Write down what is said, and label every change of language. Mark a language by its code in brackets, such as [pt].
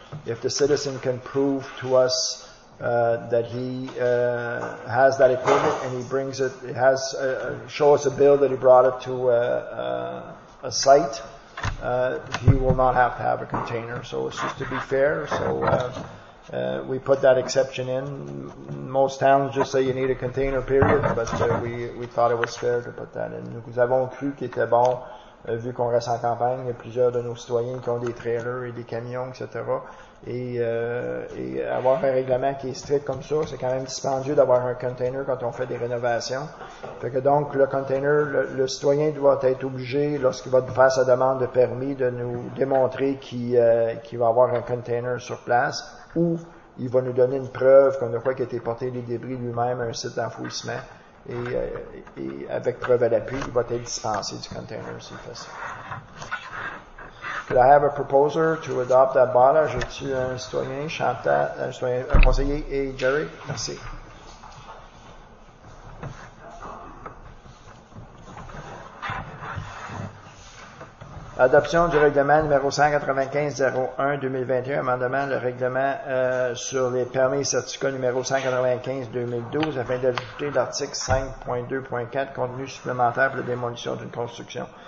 [en] If the citizen can prove to us that he has that equipment and he brings it, he has show us a bill that he brought it to a site, he will not have to have a container. So it's just to be fair. So we put that exception in. Most towns just say you need a container, period, but we thought it was fair to put that in. [fr] Nous avons cru qu'il était bon, vu qu'on reste en campagne, il y a plusieurs de nos citoyens qui ont des trailers et des camions, etc. Et avoir un règlement qui est strict comme ça, c'est quand même dispendieux d'avoir un container quand on fait des rénovations. Fait que donc, le container, le citoyen doit être obligé, lorsqu'il va faire sa demande de permis, de nous démontrer qu'il va avoir un container sur place, ou il va nous donner une preuve qu'on a quoi qu'il a été porté les débris lui-même à un site d'enfouissement. Et avec preuve à l'appui, il va être dispensé du container s'il fait ça. [en] Could I have a proposer to adopt that bylaw? [fr] J'ai-tu un citoyen, Chantal, un conseiller et Jerry? Merci. Adoption du règlement numéro 195-01-2021, amendement le règlement sur les permis et certificats numéro 195-2012 afin d'ajouter l'article 5.2.4, contenu supplémentaire pour la démolition d'une construction.